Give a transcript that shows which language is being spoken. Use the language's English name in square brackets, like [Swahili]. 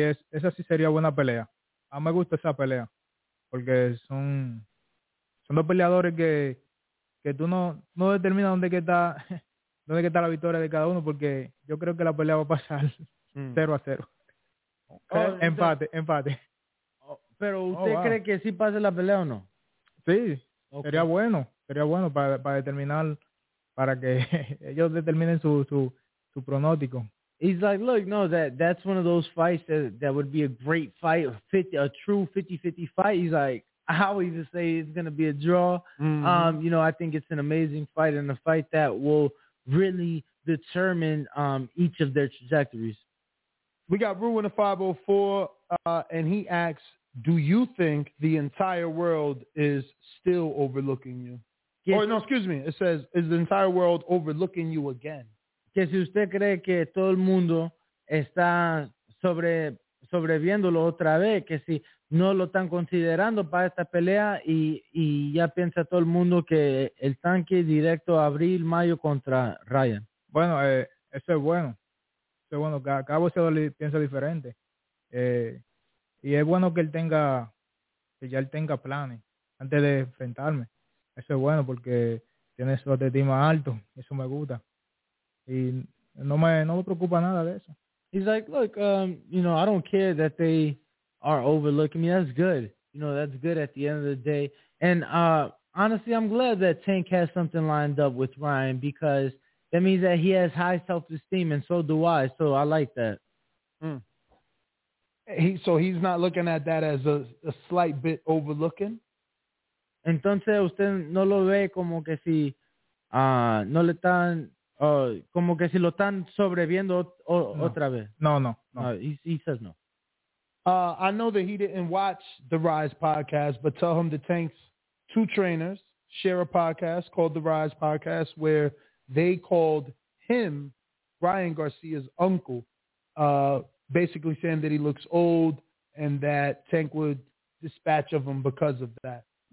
[Spanish] Esa sí sería buena pelea. A mí me gusta esa pelea porque son dos peleadores que tú no determinas dónde está la victoria de cada uno, porque yo creo que la pelea va a pasar 0-0. Okay. Oh, empate. Pero usted cree que sí pase la pelea o no? Sí, okay. sería bueno para determinar, para que ellos determinen su pronóstico. [English] He's like, look, no, that's one of those fights that would be a great fight, a true 50-50 fight. He's like, I always say it's going to be a draw. I think it's an amazing fight and a fight that will really determine each of their trajectories. We got Ruin of 504, and he asks, do you think the entire world is still overlooking you? It says, is the entire world overlooking you again? [Spanish] Que si usted cree que todo el mundo está sobreviéndolo otra vez, que si no lo están considerando para esta pelea, y ya piensa todo el mundo que el tanque directo abril, mayo contra Ryan. Bueno, eso es bueno. Bueno, cada boxeador piensa diferente, y es bueno que él tenga planes antes de enfrentarme. Eso es bueno porque tiene su atletismo alto, eso me gusta, y no me preocupa nada de eso. [English] He's like, look, I don't care that they are overlooking me. That's good, that's good at the end of the day. And honestly, I'm glad that Tank has something lined up with Ryan, because that means that he has high self-esteem, and so do I. So I like that. He's not looking at that as a slight bit overlooking? [Spanish] Entonces, usted no lo ve como que si no le están, como que si lo están sobreviendo otra vez. No. [English] He says no. I know that he didn't watch the Rise podcast, but tell him the Tank's two trainers share a podcast called the Rise podcast, where they called him Ryan Garcia's uncle, basically saying that he looks old and that Tank would dispatch of him because of that.